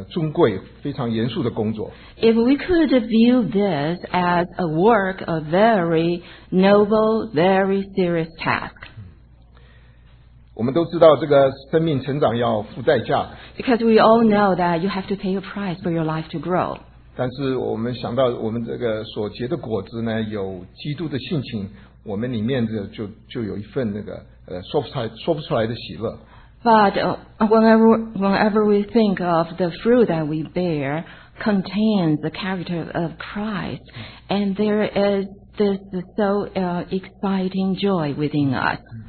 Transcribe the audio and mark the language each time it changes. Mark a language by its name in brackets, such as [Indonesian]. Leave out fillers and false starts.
[Chinese] 假如我们可以看到这是一个工作的话，这是一个非常尊贵，非常严肃的工作。 [English] If we could view this as a work, a very noble, very serious task. [Chinese] 我们都知道这个生命成长要付代价。 [English] Because we all know that you have to pay a price for your life to grow. [Chinese] 但是我们想到我们这个所结的果子呢，有基督的性情，我们里面就有一份那个说不出来的喜乐。But [English] whenever we think of the fruit that we bear contains the character of Christ, and there is this so exciting joy within us.